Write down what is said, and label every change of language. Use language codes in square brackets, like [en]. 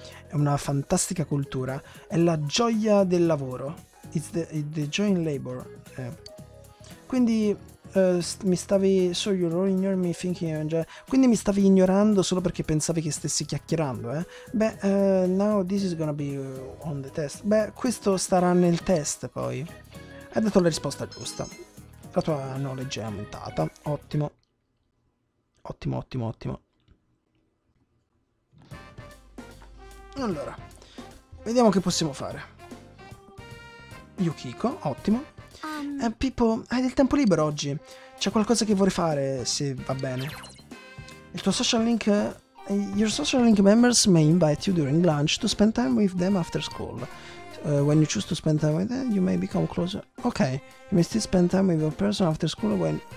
[it] È una fantastica cultura. È la gioia del lavoro. It's the joy in labor. Quindi quindi mi stavi ignorando solo perché pensavi che stessi chiacchierando, eh? [en] Now this is gonna be on the test. [it] Beh, questo starà nel test poi. Hai dato la risposta giusta. La tua knowledge è aumentata. Ottimo. Ottimo, ottimo, ottimo. Allora, vediamo che possiamo fare. Yukiko, ottimo. Pippo, hai del tempo libero oggi? C'è qualcosa che vuoi fare, se va bene. Il tuo social link... [en] Your social link members may invite you during lunch to spend time with them after school. When you choose to spend time with them, you may become closer. Ok, you may still spend time with your person after school when...